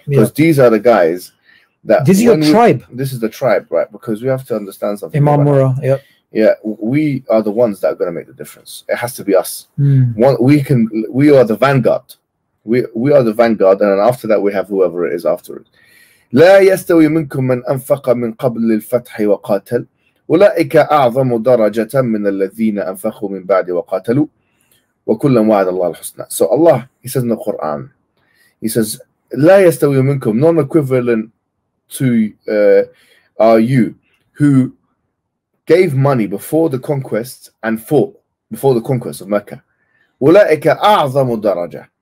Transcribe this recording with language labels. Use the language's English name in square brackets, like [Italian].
[English] Because these are the guys that. This is your tribe. This is the tribe, right? Because we have to understand something. Imam Murrah, yep. Yeah. We are the ones that are going to make the difference. It has to be us. Mm. We are the vanguard. We are the vanguard. And then after that, we have whoever it is after it. [Arabic] لا يستوي منكم من أنفق من قبل الفتح وقاتل. أولئك أعظم درجة من الذين أنفخوا من بعد وقاتلوا وكلا وعد الله الحسنى. [English] So Allah, he says in the Quran, he says, [Arabic] لا يستوي منكم, [English] non-equivalent to are you who gave money before the conquest and fought before the conquest of Mecca. [Arabic] أولئك أعظم درجة.